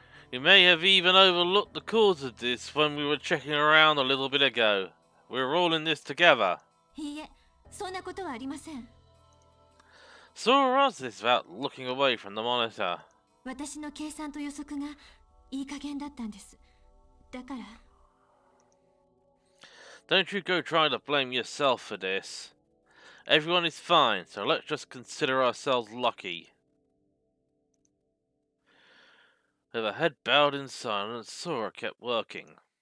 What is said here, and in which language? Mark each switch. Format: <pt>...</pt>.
<en>You may have even overlooked the cause of this when we were checking around a little bit ago. We're all in this together.</en> <ja>いいえ、そんなことはありません。</ja> <en>Sora asked this without looking away from the monitor.</en> <ja>私の計算と予測がいい加減だったんです。だから。</ja> <en>Don't you go trying to blame yourself for this. Everyone is fine, so let's just consider ourselves lucky. With her head bowed in silence, Sora kept working.</en>